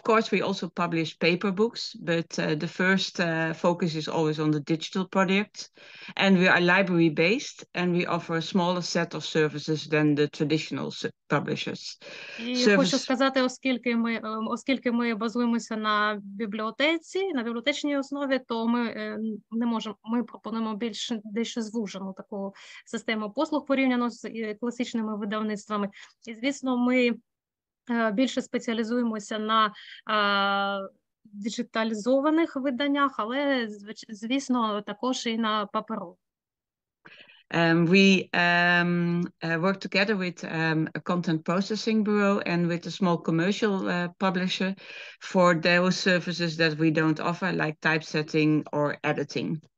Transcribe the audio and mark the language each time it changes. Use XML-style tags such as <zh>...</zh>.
<en>We also publish paper books, but the first focus is always on the digital product. And we are library based, and we offer a smaller set of services than the traditional publishers.</en> <uk>Хочу сказати, оскільки ми базуємося на бібліотеці, на бібліотечній основі, то ми пропонуємо більш дещо звужену таку систему послуг порівняно з класичними видавництвами. І звісно, ми більше спеціалізуємося на діджиталізованих виданнях, але звісно також і на паперу.</uk> <en>We work together with a content processing bureau and with a small commercial publisher for those services that we don't offer, like typesetting or editing.</en>